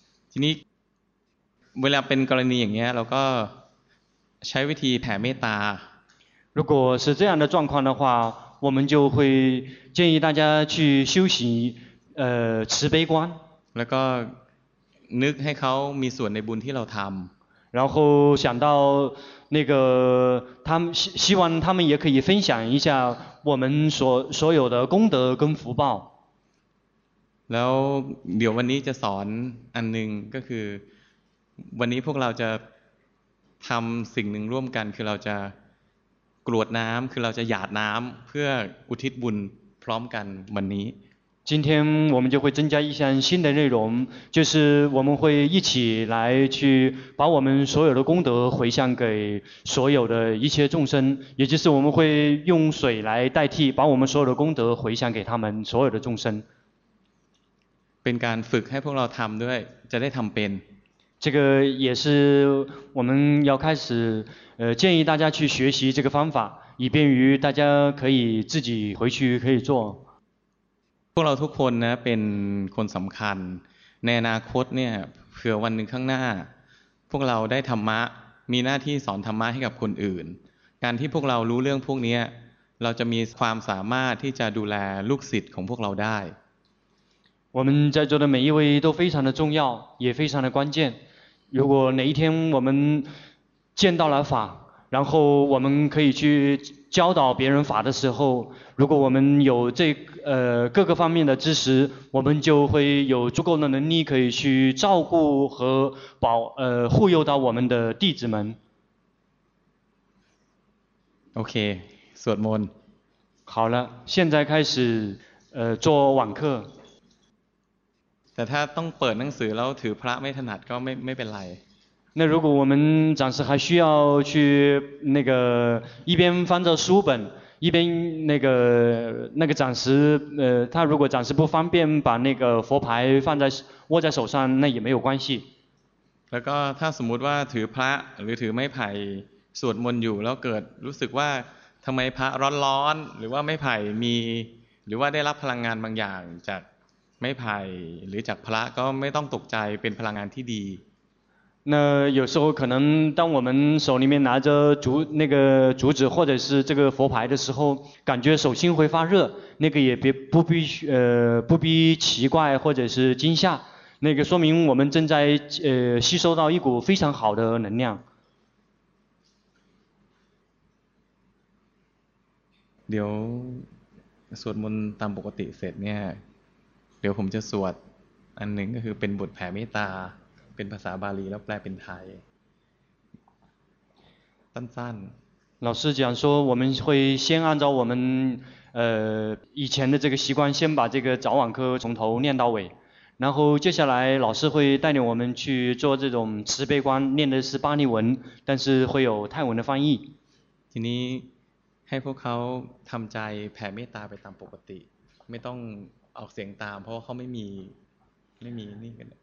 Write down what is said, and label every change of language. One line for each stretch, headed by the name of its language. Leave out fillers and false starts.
Thai: ทีนี้เวลาเป็นกรณีอย่างเงี้ยเราก็ใช้วิธีแผ่เมตตา。
Chinese: 如果是这样的状况的话，我们就会建议大家去修习慈悲观。
Thai: แล้วก็นึกให้เขามีส่วนในบุญที่เราทำ
Chinese: 然后想到那个他们希望他们也可以分享一下我们所有的功德跟福报
Thai: แล้วเดี๋ยววันนี้จะสอนอันนึงก็คือวันนี้พวกเราจะทำสิ่งหนึ่งร่วมกันคือเราจะกรวดน้ำคือเราจะหยาดน้ำเพื่ออุทิศบุญพร้อมกันวันนี้
Chinese: 今天我们就会增加一项新的内容，就是我们会一起来去把我们所有的功德回向给所有的一切众生，也就是我们会用水来代替，把我们所有的功德回向给他们所有的众生。
Thai: นการฝึกให้พวกเราทำด้วยจะได้ทำเป็น
Chinese: 这个也是我们要开始建议大家去学习这个方法以便于大家可以自己回去可以做
Thai: พวกเราทุกคนนะเป็นคนสำคัญในอนาคตเนี่ยเผื่อวันหนึ่งข้างหน้าพวกเราได้ธรรมะมีหน้าที่สอนธรรมะให้กับคนอื่นการที่พวกเรารู้เรื่องพวกนี้เราจะมีความสามารถที่จะดูแลลูกศิษย์ของพวกเราได้
Chinese: 我们在座的每一位都非常的重要也非常的关键如果哪一天我们见到了法然后我们可以去教导别人法的时候如果我们有这各个方面的知识我们就会有足够的能力可以去照顾和保护佑到我们的弟子们
Thai: OK, สวดมนต์
Chinese: 好了现在开始做网课
Thai: แต่ถ้าต้องเปิดหนังสือแล้วถือพระไม่ถนัดก็ไม่เป็นไร
Chinese: 那如果我们暂时还需要去那个一边翻着书本一边那个暂时他如果暂时不方便把那个佛牌放在握在手上那也没有关系
Thai: แล้วก็ถ้าสมมุติว่าถือพระหรือถือไม้ไผ่สวดมนต์อยู่แล้วเกิดรู้สึกว่าทำไมพระร้อนๆหรือว่าไม้ไผ่มีหรือว่าได้รับพลังงานบางอย่างจากไม้ไผ่หรือจากพระก็ไม่ต้องตกใจเป็นพลังงานที่ดี
Chinese: 那有时候可能当我们手里面拿着竹那个竹子或者是这个佛牌的时候感觉手心会发热那个也别不必不必奇怪或者是惊吓那个说明我们正在吸收到一股非常好的能量
Thai: เดี๋ยวสวดมนต์ตามปกติเสร็จเนี่ยเดี๋ยวผมจะสวดอันหนึ่งก็คือเป็นบทแผ่เมตตาเป็นภาษาบาลีแล้วแปลเป็นไทยสั้น
Chinese: ๆ老师讲说我们会先按照我们以前的这个习惯先把这个早晚课从头念到尾然后接下来老师会带领我们去做这种慈悲观念的是巴利文但是会有泰文的翻译
Thai: ทีนี้ให้พวกเขาทำใจแผ่เมตตาไปตามปกติไม่ต้องออกเสียงตามเพราะเขาไม่มีนี่กัน